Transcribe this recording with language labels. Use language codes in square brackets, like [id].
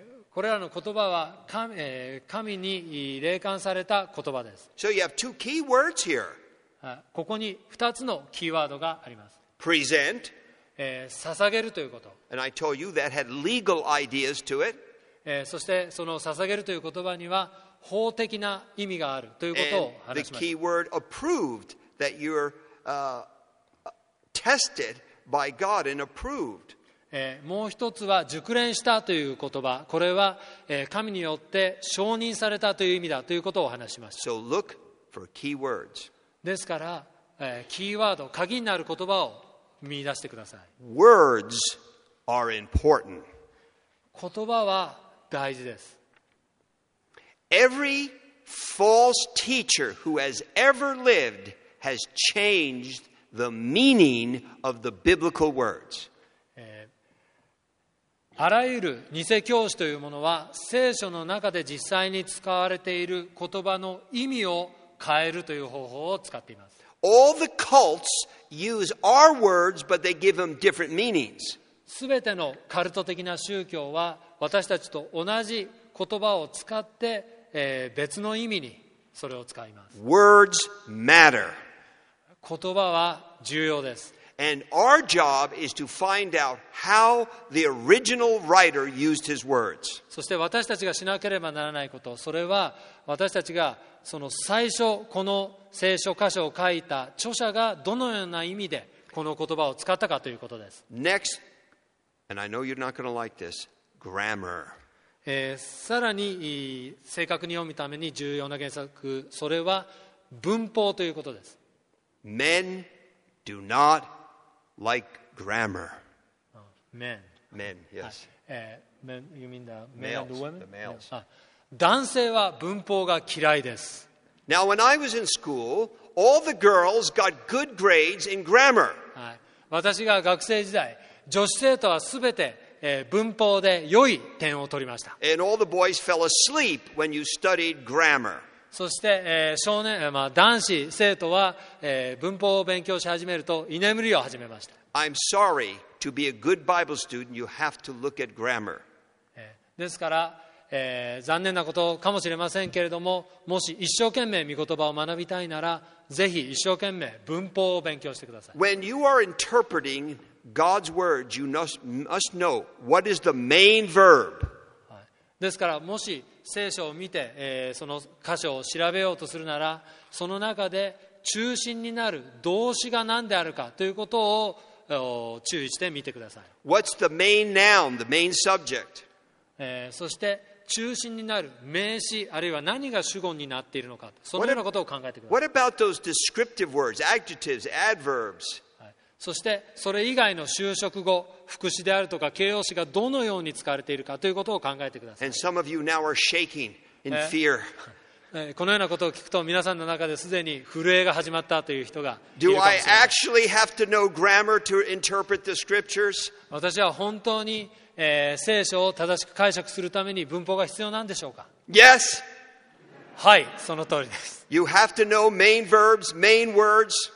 [ja] これらの言葉は 神に霊感された言葉です。 [en] So you have two key words here. [ja] ここに2つのキーワードがあります。 [en] Present. [ja] 捧げるということ。 [en] And I told you that had legal ideas to it. [ja] そしてその捧げるという言葉には法的な意味があるということを話しました。 [en] And the key word approved, that you're tested by God and approved. [ja] もう一つは熟練したという言葉。これは神によって承認されたという意味だということを話しました。 [en] So look for key words. [ja] ですから、キーワード、鍵になる言葉を見出してください。 [en] Words are important. [ja] 言葉は大事です。 [en] Every false teacher who has ever lived has changed the meaning of the biblical words. [ja] あらゆる偽教師というものは、聖書の中で実際に使われている言葉の意味を変えるという方法を使っています。 [en] All the cults use our words, but they give them different meanings. [ja] すべてのカルト的な宗教は私たちと同じ言葉を使って、別の意味にそれを使います。 [en] Words matter. [ja] 言葉は重要です。 [en] And our job is to find out how the original writer used his words. [ja] そして私たちがしなければならないこと、それは私たちがその最初この聖書箇所を書いた著者がどのような意味でこの言葉を使ったかということです。 [en] Next, and I know you're not going to like this, grammar. [ja] さらに正確に読むために重要な原則、それは文法ということです。 [en] Men do not like grammar. Men, yes. Men, you mean the men and the women? The males. [ja] 男性は文法が嫌いです。 [en] Now, when I was in school, all the girls got good grades in grammar. [ja] 私が学生時代、女子生徒はすべて文法で良い点を取りました。 [en] And all the boys fell asleep when you studied grammar. [ja] そして少年、まあ、男子生徒は文法を勉強し始めると居眠りを始めました。 [en] I'm sorry, to be a good Bible student, you have to look at grammar. [ja] ですから、残念なことかもしれませんけれども、もし一生懸命御言葉を学びたいなら、ぜひ一生懸命文法を勉強してください。 [en] When you are interpreting God's words, you must know what is the main verb. [ja] ですから、もし聖書を見て、その箇所を調べようとするなら、その中で中心になる動詞が何であるかということを注意してみてください。 [en] What's the main noun, the main subject? [ja] そして中心になる名詞、あるいは何が主語になっているのか、そのようなことを考えてください。 [en] What about those descriptive words, adjectives, adverbs?、 [ja] はい、そしてそれ以外の修飾語、副詞であるとか形容詞がどのように使われているかということを考えてください。 [en] And some of you now are shaking in fear. [ja] このようなことを聞くと皆さんの中ですでに震えが始まったという人がいるかもしれません。 [en] Do I actually have to know grammar to interpret the scriptures? [ja] 私は本当に聖書を正しく解釈するために文法が必要なんでしょうか。 [en] Yes. [ja] はい、その通りです。 [en] You have to know main verbs, main words.